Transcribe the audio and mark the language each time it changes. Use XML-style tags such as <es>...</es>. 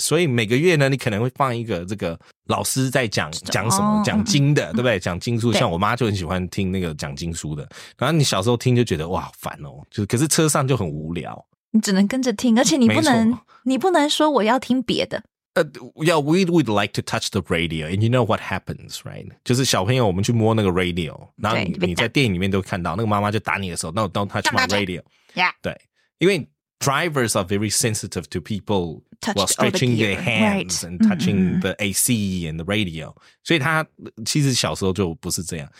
<zh>所以每个月呢，你可能会放一个这个老师在讲什么、讲经的、对不对？讲经书，像我妈就很喜欢听那个讲经书的。然后你小时候听就觉得哇，好烦哦。就可是车上就很无聊。你只能跟着听，而且你不能说我要听别的。</zh> <en>Yeah, we would like to touch the radio, and you know what happens, right?</en> <zh>就是小朋友，我们去摸那个 radio, 然后你在电影里面都看到，那个妈妈就打你的时候 ，</zh> <en>No, don't touch my radio. Yeah,</en> <zh>对，因为</zh> <en>drivers are very sensitive to people while stretching their hands、 right. and touching the AC and the radio.</en> <zh>所以他其实小时候就不是这样。</zh>